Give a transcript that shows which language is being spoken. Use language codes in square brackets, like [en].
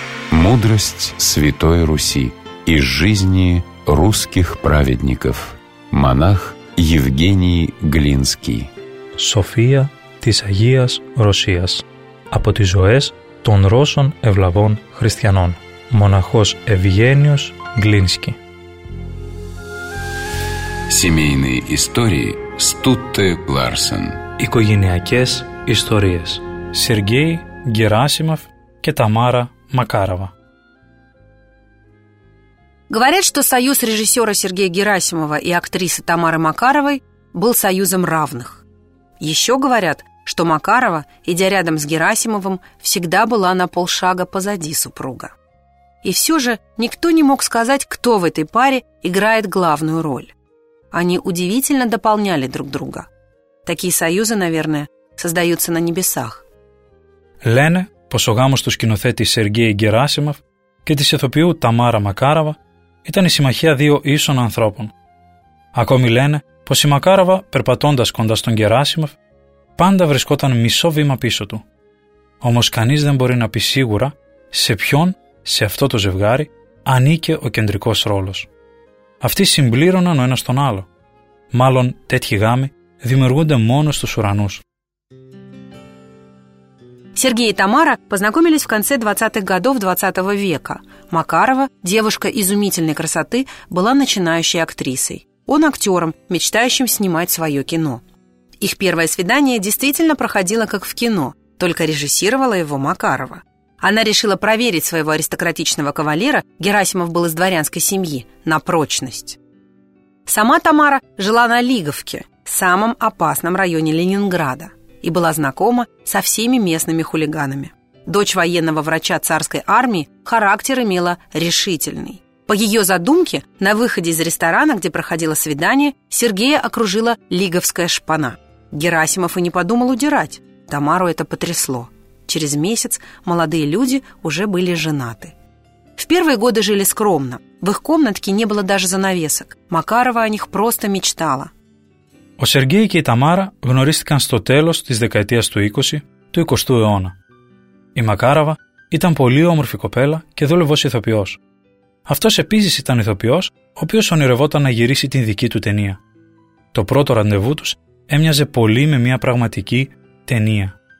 [ru] Мудрость Святой Руси из жизни русских праведников. Монах Евгений Глинский. [el] Σοφία της Αγίας Ρωσίας. Από τις ζωές των Ρώσων ευλαβών χριστιανών. Μοναχός Ευγένιος Γκλίνσκι. [ru] Семейные истории Стутте Ларсен. [el] Οικογενειακές ιστορίες Сергей Герасимов και Тамара Макарова. [ru] Говорят, что союз режиссера Сергея Герасимова и актрисы Тамары Макаровой был союзом равных. Еще говорят, что Макарова, идя рядом с Герасимовым, всегда была на полшага позади супруга. И все же никто не мог сказать, кто в этой паре играет главную роль. Они удивительно дополняли друг друга. Такие союзы, наверное, создаются на небесах. [el] Лене, πως ο γάμος του σκηνοθέτη Σεργέη Γεράσιμοφ και της ηθοποιού Ταμάρα Μακάραβα ήταν η συμμαχία δύο ίσων ανθρώπων. Ακόμη λένε πως η Μακάραβα, περπατώντας κοντά στον Γεράσιμοφ, πάντα βρισκόταν μισό βήμα πίσω του. Όμως κανείς δεν μπορεί να πει σίγουρα σε ποιον, σε αυτό το ζευγάρι, ανήκε ο κεντρικός ρόλος. Αυτοί συμπλήρωναν ο ένας τον άλλο. Μάλλον τέτοιοι γάμοι δημιουργούνται μόνο στους ουρανούς. [ru] Сергей и Тамара познакомились в конце 20-х годов 20 века. Макарова, девушка изумительной красоты, была начинающей актрисой. Он актером, мечтающим снимать свое кино. Их первое свидание действительно проходило как в кино, только режиссировала его Макарова. Она решила проверить своего аристократичного кавалера, Герасимов был из дворянской семьи, на прочность. Сама Тамара жила на Лиговке, самом опасном районе Ленинграда. И была знакома со всеми местными хулиганами. Дочь военного врача царской армии характер имела решительный. По ее задумке, на выходе из ресторана, где проходило свидание, Сергея окружила лиговская шпана. Герасимов и не подумал удирать. Тамару это потрясло. Через месяц молодые люди уже были женаты. В первые годы жили скромно. В их комнатке не было даже занавесок. Макарова о них просто мечтала. [el] Ο Σεργέη και η Ταμάρα γνωρίστηκαν στο τέλος της δεκαετίας του 20 του 20ου αιώνα. Η Μακάραβα ήταν πολύ όμορφη κοπέλα και δούλευε ως ηθοποιός. Αυτός επίσης ήταν ηθοποιός, ο οποίος ονειρευόταν να γυρίσει την δική του ταινία. Το πρώτο ραντεβού τους έμοιαζε πολύ με μια πραγματική ταινία.